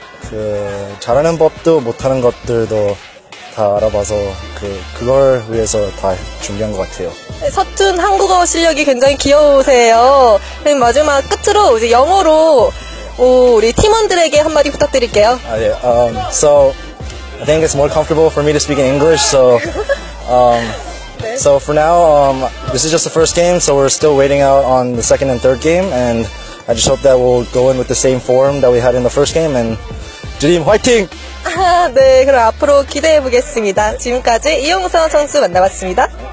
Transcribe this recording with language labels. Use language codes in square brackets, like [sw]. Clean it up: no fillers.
[ko] 그 잘하는 법도 못하는 것들도 다 알아봐서 그걸 위해서 다 준비한 것 같아요. 네, 서툰 한국어 실력이 굉장히 귀여우세요. 그럼 마지막 끝으로 이제 영어로 우리 팀원들에게 한마디 부탁드릴게요. 아, 네. [en] So I think it's more comfortable for me to speak in English. So so for now this is just the first game, so we're still waiting out on the second and third game, and I just hope that we'll go in with the same form that we had in the first game. And Dream, 화이팅! [ko] 아, 네, 그럼 앞으로 기대해 보겠습니다. 지금까지 이용선 선수 만나봤습니다.